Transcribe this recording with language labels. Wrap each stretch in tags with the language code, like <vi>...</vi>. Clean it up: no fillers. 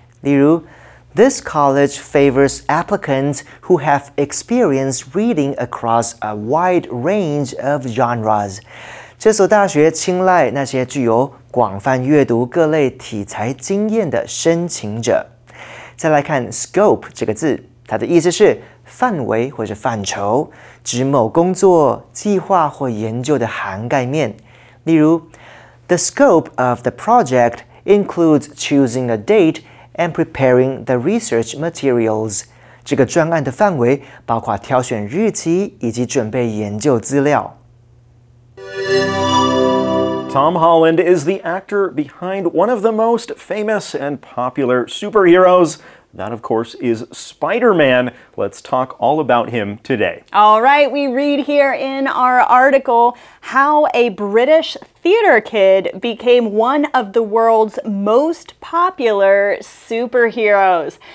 <zh>例如</zh> <en>，This college favors applicants who have experience reading across a wide range of genres.</en> <zh>这所大学青睐那些具有广泛阅读各类题材经验的申请者。再来看 scope 这个字，它的意思是范围或是范畴，指某工作、计划或研究的涵盖面。例如</zh> <en>，The scope of the project includes choosing a date and preparing the research materials。</en> <zh>这个专案的范围包括挑选日期以及准备研究资料。</zh> <en>Tom Holland is the actor behind one of the most famous and popular superheroes. That, of course, is Spider-Man. Let's talk all about him today. All right, we read here in our article how a British theater kid became one of the world's most popular superheroes.</en>